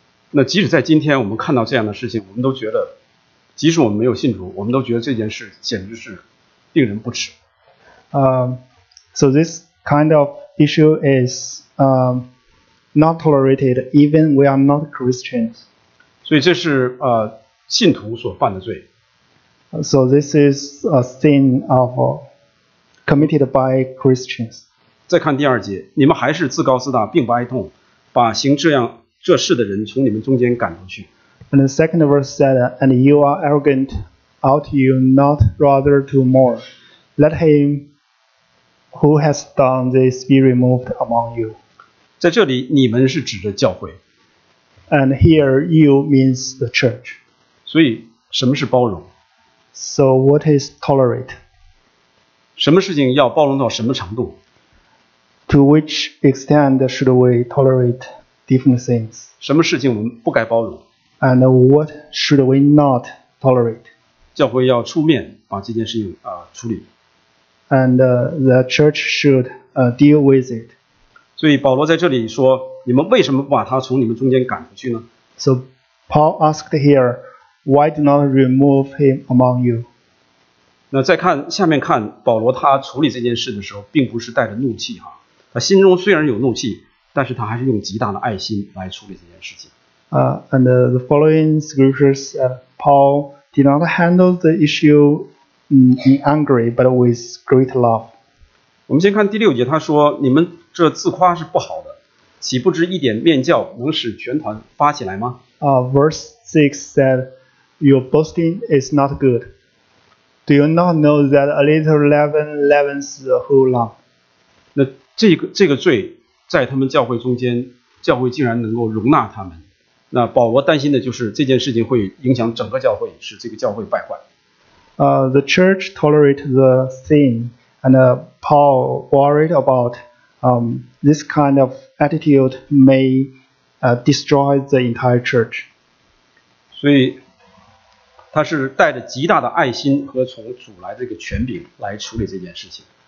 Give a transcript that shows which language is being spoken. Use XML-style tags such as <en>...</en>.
<zh>那即使在今天我们看到这样的事情，我们都觉得，即使我们没有信主，我们都觉得这件事简直是令人不齿。</zh> <en>So this kind of issue is not tolerated, even we are not Christians.</en> <zh>所以这是信徒所犯的罪。</zh> <en>So this is a sin of committed by Christians.</en> <zh>再看第二节，你们还是自高自大，并不哀痛，把行这事的人从你们中间赶出去。</zh> <en>And the second verse said, and you are arrogant, ought you not rather to mourn? Let him who has done this be removed among you.</en> <zh>在这里，你们是指着教会。</zh> <en>And here you means the church.</en> <zh>所以，什么是包容？</zh> <en>So what is tolerate?</en> <zh>什么事情要包容到什么程度？</zh> <en>To which extent should we tolerate different things?</en> <zh>什么事情我们不该包容？</zh> <en>And what should we not tolerate?</en> <zh>教会要出面把这件事情处理。</zh> <en>And the church should deal with it.</en> <zh>所以保罗在这里说，你们为什么不把他从你们中间赶出去呢？</zh> <en>So Paul asked here, why do not remove him among you?</en> <zh>那再看下面看保罗他处理这件事的时候并不是带着怒气哈，他心中虽然有怒气，但是他还是用极大的爱心来处理这件事情。</zh> <en>And the following scriptures said, Paul did not handle the issue in angry but with great love.</en> <zh>我们先看第六节，他说你们这自夸是不好的，岂不知一点面教能使全团发起来吗？</zh> <en>Verse 6 said, your boasting is not good. Do you not know that a little leaven leavens the whole lump?</en> <zh>那这个罪在他们教会中间，教会竟然能够容纳他们。那保罗担心的就是这件事情会影响整个教会，使这个教会败坏。</zh> <en>The church tolerated the sin, and Paul worried about this kind of attitude may destroy the entire church.</en> <zh>所以他是带着极大的爱心和从主来这个权柄来处理这件事情。</zh>